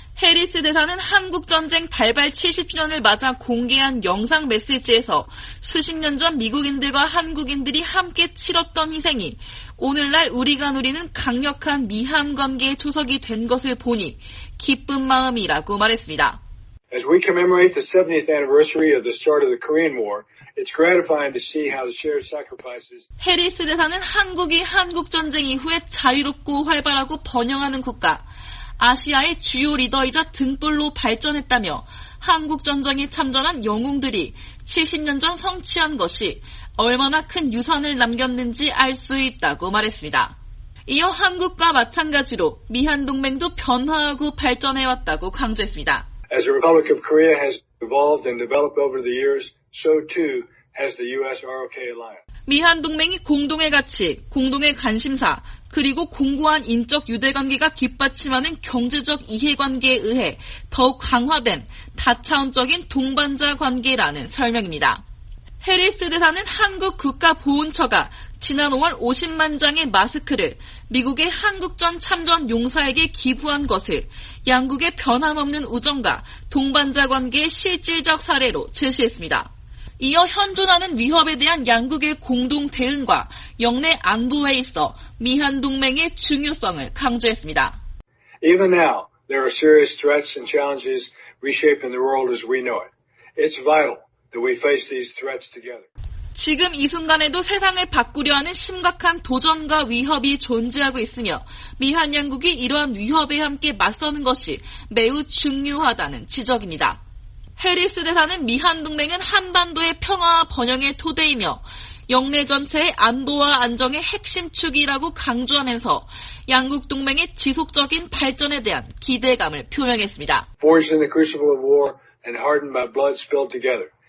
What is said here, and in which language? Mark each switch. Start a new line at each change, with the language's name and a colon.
Korean: 해리스 대사는 한국전쟁 발발 70주년을 맞아 공개한 영상 메시지에서 수십 년 전 미국인들과 한국인들이 함께 치렀던 희생이 오늘날 우리가 누리는 강력한 미한 관계의 초석이 된 것을 보니 기쁜 마음이라고 말했습니다.
English: As we commemorate the 70th anniversary of the start of the Korean War, it's gratifying to see how the shared sacrifices.
Korean: 해리스 대사는 한국이 한국 전쟁 이후에 자유롭고 활발하고 번영하는 국가, 아시아의 주요 리더이자 등불로 발전했다며 한국 전쟁에 참전한 영웅들이 70년 전 성취한 것이 얼마나 큰 유산을 남겼는지 알 수 있다고 말했습니다. 이어 한국과 마찬가지로 미한 동맹도 변화하고 발전해 왔다고 강조했습니다.
English: As the Republic of Korea has evolved and developed over the years, so too has the U.S. ROK Alliance.
Korean: 미한 동맹이 공동의 가치, 공동의 관심사, 그리고 공고한 인적 유대관계가 뒷받침하는 경제적 이해관계에 의해 더욱 강화된 다차원적인 동반자 관계라는 설명입니다. 해리스 대사는 한국 국가보훈처가 지난 5월 50만 장의 마스크를 미국의 한국전 참전 용사에게 기부한 것을 양국의 변함없는 우정과 동반자 관계의 실질적 사례로 제시했습니다. 이어 현존하는 위협에 대한 양국의 공동 대응과 역내 안보에 있어 미한 동맹의 중요성을 강조했습니다.
English: Even now, there are serious threats and challenges reshaping the world as we know it. It's vital that we face these threats together.
Korean: 지금 이 순간에도 세상을 바꾸려 하는 심각한 도전과 위협이 존재하고 있으며 미한 양국이 이러한 위협에 함께 맞서는 것이 매우 중요하다는 지적입니다. 해리스 대사는 미한 동맹은 한반도의 평화와 번영의 토대이며 영내 전체의 안보와 안정의 핵심축이라고 강조하면서 양국 동맹의 지속적인 발전에 대한 기대감을 표명했습니다.
English: Forged in the crucible of war and hardened by blood spilled together.